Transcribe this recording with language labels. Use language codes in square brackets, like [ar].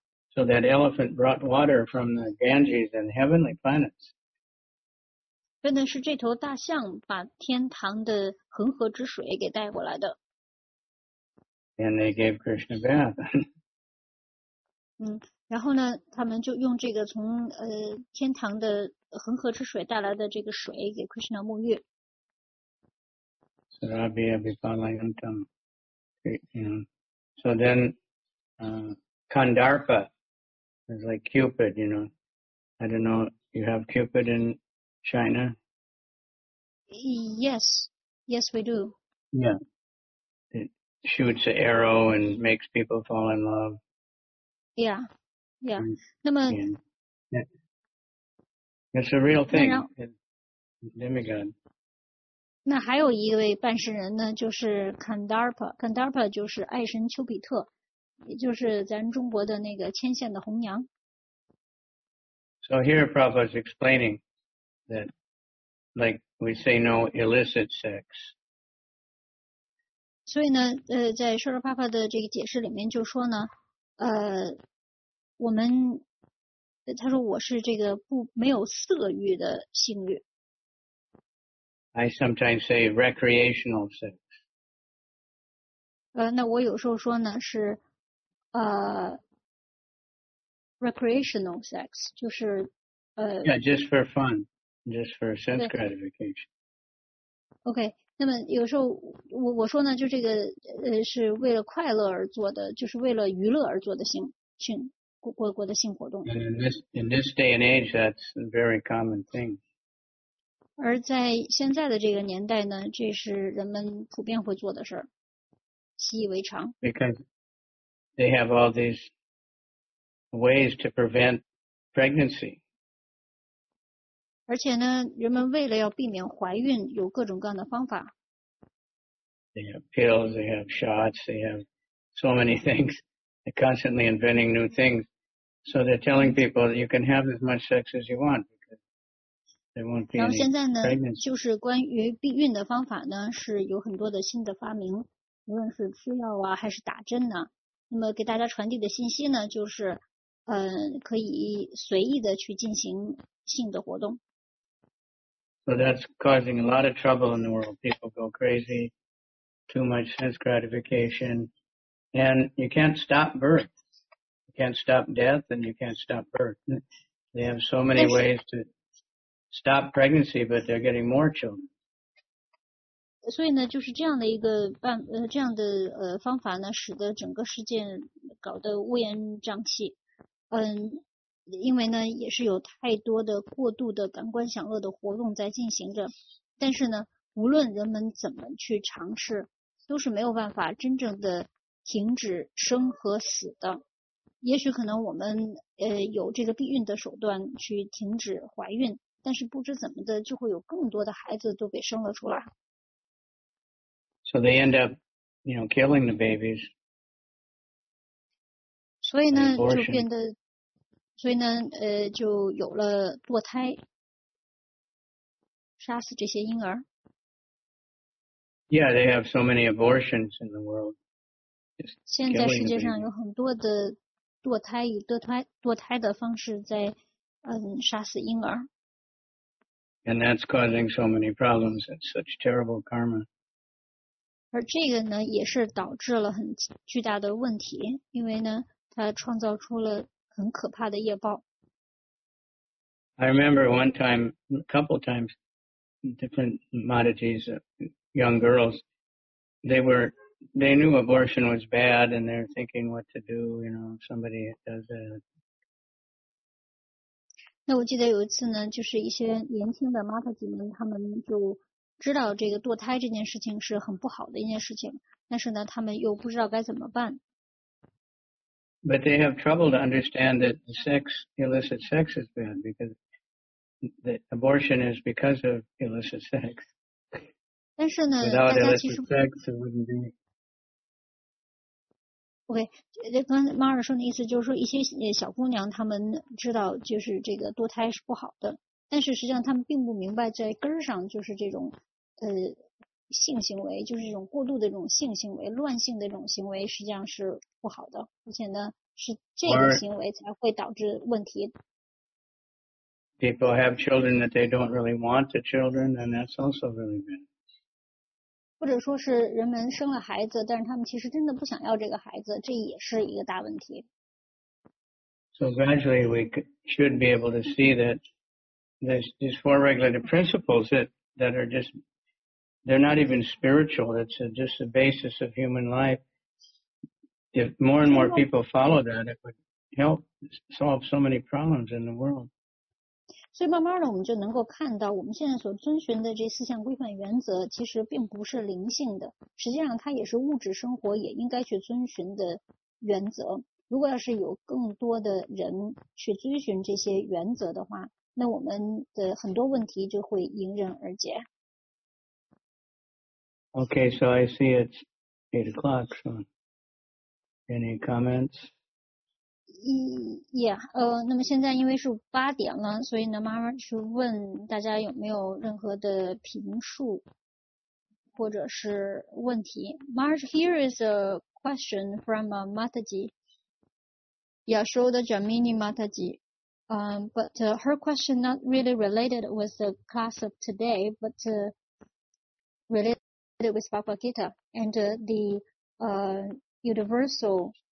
[en] So that elephant brought water from the Ganges and heavenly planets. [zh] 真的是这头大象把天堂的恒河之水给带过来的。 [en] And they gave Krishna bath. [zh] 然后呢他们就用这个从天堂的恒河之水带来的这个水给 Krishna 沐浴。 [sa] Sarabhya Vipalayantam. [en] So then, Kandarpa is like Cupid, you know. I don't know, you have Cupid in China? Yes, yes we do. Yeah. It shoots an arrow and makes people fall in love. Yeah, yeah. And, [zh] 那么 [en] It's a real thing. Demigod. [zh] 那还有一位办事人呢，就是 Kandarpa 就是爱神丘比特，也就是咱中国的那个牵线的红娘。 [en] So here Prabhupada is explaining that, like we say, no illicit sex. [zh] 所以呢，在 Srila Prabhupada 的这个解释里面就说呢，我们。他说我是这个不没有色欲的性欲。 [en] I sometimes say recreational sex. [zh] 那我有时候说呢是 [en] recreational sex, [zh] 就是 [en] Yeah, just for fun, just for sense gratification. [zh] OK, 那么有时候我说呢就这个是为了快乐而做的就是为了娱乐而做的性。的性活动。 [en] And in this day and age, that's a very common thing. [zh] 而在现在的这个年代呢，这是人们普遍会做的事儿，习以为常。 [en] Because they have all these ways to prevent pregnancy. [zh] 而且呢，人们为了要避免怀孕，有各种各样的方法。 [en] They have pills, they have shots, they have so many things. They're constantly inventing new things. So they're telling people that you can have as much sex as you want because there won't be any pregnancy. [zh] 然后现在呢，就是关于避孕的方法呢，是有很多的新的发明，无论是吃药啊，还是打针呢。那么给大家传递的信息呢，就是，可以随意的去进行性的活动。 [en] So that's causing a lot of trouble in the world. People go crazy, too much sense gratification, and you can't stop birth. Can't stop death and you can't stop birth. They have so many ways to stop pregnancy, but they're getting more children. [zh] 所以呢，就是这样的一个办这样的方法呢，使得整个事件搞得乌烟瘴气。因为呢，也是有太多的过度的感官享乐的活动在进行着。但是呢，无论人们怎么去尝试，都是没有办法真正的停止生和死的。也许可能我们有这个避孕的手段去停止怀孕，但是不知怎么的，就会有更多的孩子都给生了出来。 [en] So they end up, you know, killing the babies. [zh] 所以呢，就变得，所以呢，就有了堕胎，杀死这些婴儿。 [en] Yeah, they have so many abortions in the world. [zh] 现在世界上有很多的。堕胎以堕胎的方式在杀死婴儿。 [en] And that's causing so many problems. It's such terrible karma. [zh] 而这个呢也是导致了很巨大的问题因为呢它创造出了很可怕的业报。 [en] I remember one time, a couple times, different modities, young girls, they knew abortion was bad and they're thinking what to do, you know, if somebody does it. [zh] 那我记得有一次呢就是一些年轻的妈妈姐们他们就知道这个堕胎这件事情是很不好的一件事情但是呢他们又不知道该怎么办。 [en] But they have trouble to understand that the sex, illicit sex is bad because the abortion is because of illicit sex. [zh] 但是呢 [en] Without illicit sex, it wouldn't be [zh] OK， 刚才马尔说的意思就是说，一些小姑娘她们知道就是这个堕胎是不好的，但是实际上她们并不明白在根儿上就是这种性行为，就是这种过度的这种性行为、乱性的这种行为实际上是不好的，而且呢是这个行为才会导致问题。 [en] People have children that they don't really want the children, and that's also really bad. [zh] 或者说是人们生了孩子，但是他们其实真的不想要这个孩子，这也是一个大问题。 [en] So gradually we should be able to see that these four regulated principles that are just, they're not even spiritual, it's just the basis of human life. If more and more people follow that, it would help solve so many problems in the world. [zh] 所以慢慢的我们就能够看到我们现在所遵循的这四项规范原则其实并不是灵性的，实际上它也是物质生活也应该去遵循的原则。如果要是有更多的人去遵循这些原则的话，那我们的很多问题就会迎刃而解。 [en] OK, so I see it's 8 o'clock, so any comments? [zh] 那么现在因为是八点了，所以呢，妈妈去问大家有没有任何的评述或者是问题。 [en] Marge, here is a question from Mataji, Yashoda Jamini Mataji. But her question not really related with the class of today, but related with Bhagavad Gita and universal.